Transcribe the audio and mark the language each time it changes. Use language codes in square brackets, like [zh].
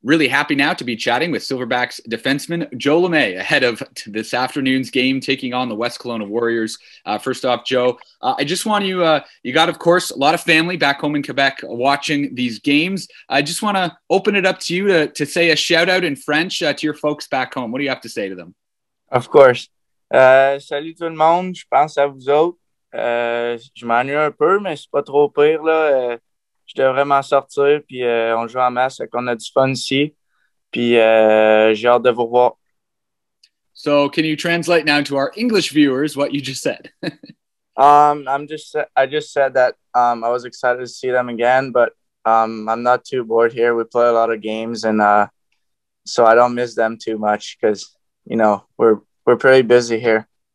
[en] Really happy now to be chatting with Silverbacks defenseman Joe LeMay ahead of this afternoon's game taking on the West Kelowna Warriors. First off, Joe, I just want you, you got, of course, a lot of family back home in Quebec watching these games. I just want to open it up to you to say a shout out in French to your folks back home. What do you have to say to them? Of course. [fr] Salut tout le monde, je pense à vous autres. Je m'ennuie un peu, mais c'est pas trop pire, là. Je devrais m'en sortir, puis on joue en masse, donc on a du fun ici. Puis j'ai hâte de vous revoir. [en] So, can you translate now to our English viewers what you just said? I just said that I was excited to see them again, but I'm not too bored here. We play a lot of games, and so I don't miss them too much because, you know, we're pretty busy here.